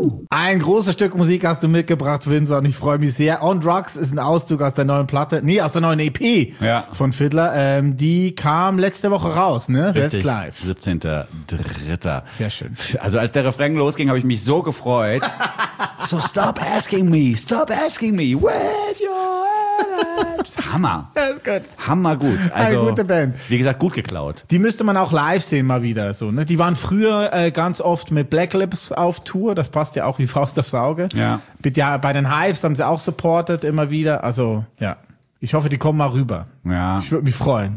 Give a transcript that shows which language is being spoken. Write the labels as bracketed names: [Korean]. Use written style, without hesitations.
[German] Ein großes Stück Musik hast du mitgebracht, Vincent, und ich freue mich sehr. On Drugs ist ein Auszug aus der neuen Platte, nee, aus der neuen EP von Fiddler. Die kam letzte Woche raus, ne? Richtig, That's Life. 17.03. Sehr schön. Also als der Refrain losging, habe ich mich so gefreut. [English] So stop asking me, with your hands. [German] Hammer. Das ist gut. Hammer gut. Also, eine gute Band. Wie gesagt, gut geklaut. Die müsste man auch live sehen mal wieder. So, ne? Die waren früher ganz oft mit Black Lips auf Tour. Das passt ja auch wie Faust aufs Auge. Ja. Bei den Hives haben sie auch supported immer wieder. Also ja, ich hoffe, die kommen mal rüber. Ja. Ich würde mich freuen.